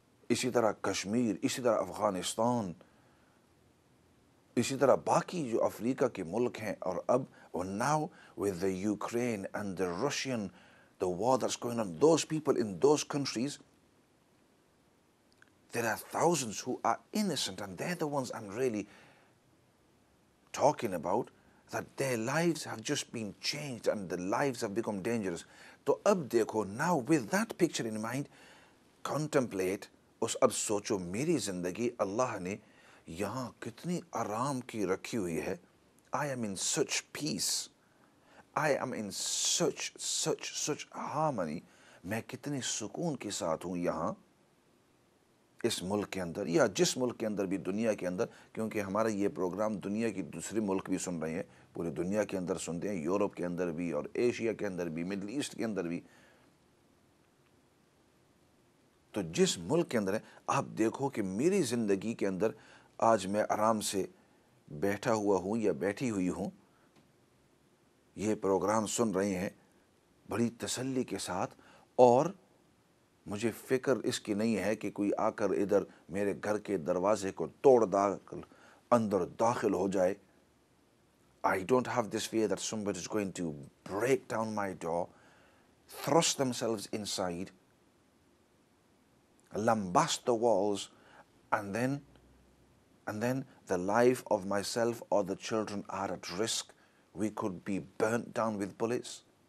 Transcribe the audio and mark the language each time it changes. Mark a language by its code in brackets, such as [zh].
[ur] اسی طرح کشمیر، اسی طرح افغانستان، اسی طرح باقی جو افریقہ کے ملک ہیں، اور اب [en] now with the Ukraine and the Russian, the war that's going on, those people in those countries, there are thousands who are innocent and they're the ones I'm really talking about, that their lives have just been changed and the lives have become dangerous. [ur] تو اب دیکھو, [en] now with that picture in mind, contemplate, [ur] اس اب سوچو میری زندگی اللہ نے یہاں کتنی آرام کی رکھی ہوئی ہے. [en] I am in such peace, I am in such harmony. [ur] میں کتنے سکون کے ساتھ ہوں یہاں اس ملک کے اندر، یا جس ملک کے اندر بھی، دنیا کے اندر، کیونکہ ہمارا یہ پروگرام دنیا کی دوسرے ملک بھی سن رہے ہیں، پوری دنیا کے اندر سنتے ہیں، یورپ کے اندر بھی اور ایشیا کے اندر بھی، مڈل ایسٹ کے اندر بھی. تو جس ملک کے اندر ہیں آپ، دیکھو کہ میری زندگی کے اندر آج میں آرام سے بیٹھا ہوا ہوں یا بیٹھی ہوئی ہوں، یہ پروگرام سن رہے ہیں بڑی تسلی کے ساتھ، اور مجھے فکر اس کی نہیں ہے کہ کوئی آ کر ادھر میرے گھر کے دروازے کو توڑ داخل اندر داخل ہو جائے. [en] I don't have this fear that somebody is going to break down my door, thrust themselves inside, lambast the walls, and then the life of myself or the children are at risk. We could be burnt down with bullets.